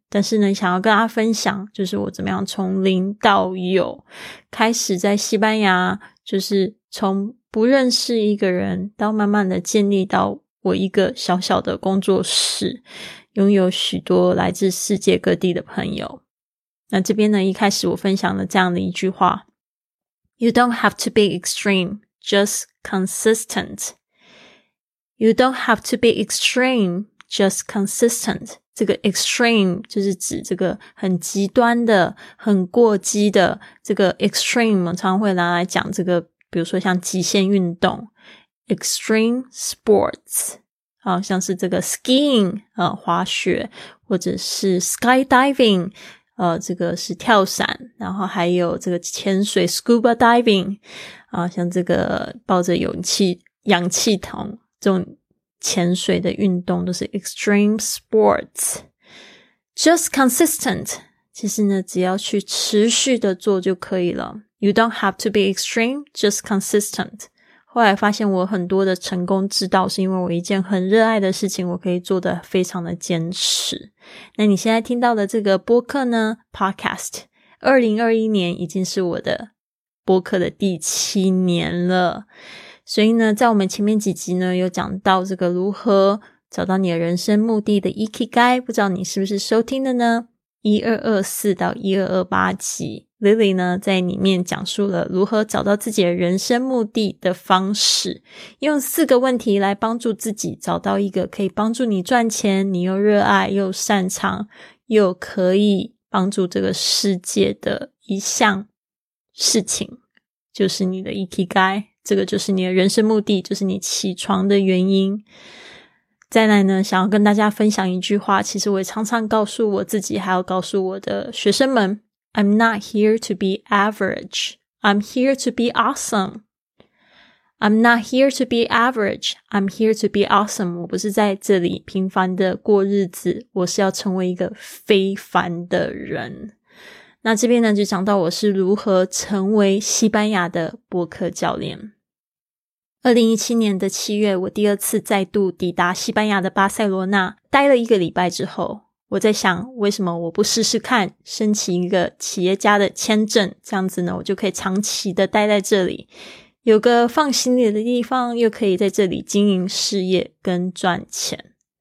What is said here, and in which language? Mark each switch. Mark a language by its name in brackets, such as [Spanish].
[Chinese] 但是呢，想要跟大家分享，就是我怎么样从零到有，开始在西班牙，就是从不认识一个人到慢慢的建立到我一个小小的工作室，拥有许多来自世界各地的朋友。那这边呢，一开始我分享了这样的一句话， [English] You don't have to be extreme, just consistent. You don't have to be extreme, just consistent. [Chinese] 这个 extreme 就是指这个很极端的，很过激的。这个 extreme 我常会拿来讲这个，比如说像极限运动 [English] extreme sports， [Chinese] 好像是这个 skiing、滑雪，或者是 skydiving、这个是跳伞，然后还有这个潜水 [English] scuba diving、 [Chinese] 像这个抱着氧气筒这种潜水的运动都是 [English] extreme sports。 Just consistent， [Chinese] 其实呢，只要去持续的做就可以了。 [English] You don't have to be extreme, just consistent. [Chinese] 后来发现我很多的成功之道是因为我一件很热爱的事情，我可以做得非常的坚持。那你现在听到的这个播客呢， podcast， 2021年已经是我的播客的第七年了。所以呢，在我们前面几集呢，有讲到这个如何找到你的人生目的的 Ikigai， 不知道你是不是收听的呢？ 1224到1228集， Lily 呢在里面讲述了如何找到自己的人生目的的方式，用四个问题来帮助自己找到一个可以帮助你赚钱，你又热爱又擅长又可以帮助这个世界的一项事情，就是你的 Ikigai， 这个就是你的人生目的，就是你起床的原因。再来呢，想要跟大家分享一句话，其实我也常常告诉我自己，还要告诉我的学生们， [English] I'm not here to be average, I'm here to be awesome. I'm not here to be average, I'm here to be awesome. [Chinese] 我不是在这里平凡的过日子，我是要成为一个非凡的人。那这边呢，就讲到我是如何成为西班牙的播客教练。 2017年的7月，我第二次再度抵达西班牙的巴塞罗那，待了一个礼拜之后，我在想为什么我不试试看申请一个企业家的签证，这样子呢，我就可以长期的待在这里，有个放心里的地方，又可以在这里经营事业跟赚钱。